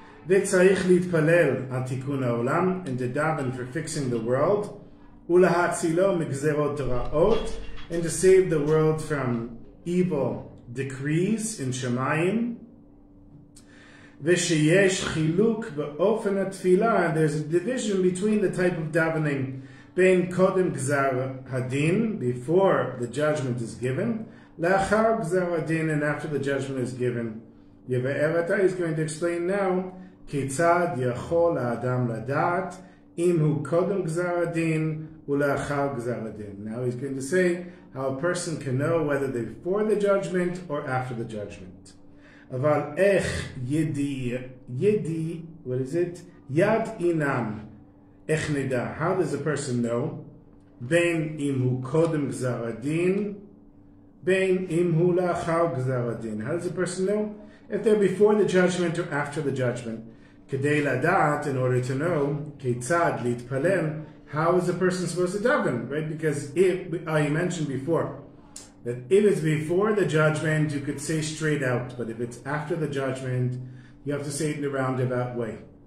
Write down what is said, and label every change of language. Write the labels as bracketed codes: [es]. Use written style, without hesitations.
[he] וצריך להתפלל על תיקון העולם, [en] and to daven for fixing the world, [he] ולהצילו מגזרות רעות, [en] and to save the world from evil decrees in שמיים, [he] ושיש חילוק באופן התפילה, [en] and there's a division between the type of davening, [he] בין קודם גזר הדין, [en] before the judgment is given, [he] לאחר גזר הדין, [en] and after the judgment is given. [he] יבאר עתה, [en] he's going to explain now, [he] כיצד יכול האדם לדעת אם הוא קודם גזר הדין ולאחר גזר הדין. [en] Now he's going to say how a person can know whether they're before the judgment or after the judgment. [he] אבל איך ידי, [en] what is it? [he] יד אינם, איך נדע? [en] How does a person know? [he] בין אם הוא קודם גזר הדין, בין אם הוא לאחר גזר הדין. [en] How does a person know? If they're before the judgment or after the judgment. [he] כדי לדעת, [en] in order to know, [he] כיצד להתפלל, [en] how is a person supposed to daven, right? Because I mentioned before, that if it's before the judgment, you could say straight out, but if it's after the judgment, you have to say it in a roundabout way.